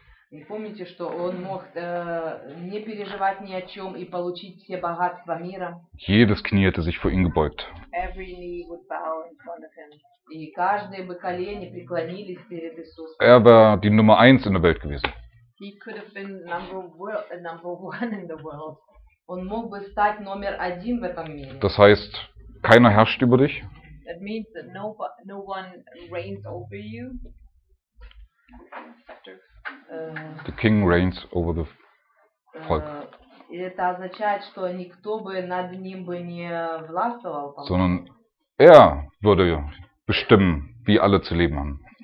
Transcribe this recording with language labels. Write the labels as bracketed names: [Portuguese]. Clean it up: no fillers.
[Russian] И помните, что он мог не переживать ни о чем и получить все богатства мира. [German] Jedes Knie hätte sich vor ihm gebeugt. [English] Every knee would bow in front of him. [Russian] И каждые бы колени преклонились перед Иисусом. [German] Er war die Nummer 1 in der Welt gewesen. [English] He could have been number one in the world. [Russian] Он мог бы стать номер один в этом мире. [German] Das heißt, keiner herrscht über dich. [English] That means that no one reigns over you. The king reigns over the Volk. [Russian] Это означает, что никто бы над ним бы не властвовал. [German] Sondern würde bestimmen, wie alle zu leben haben.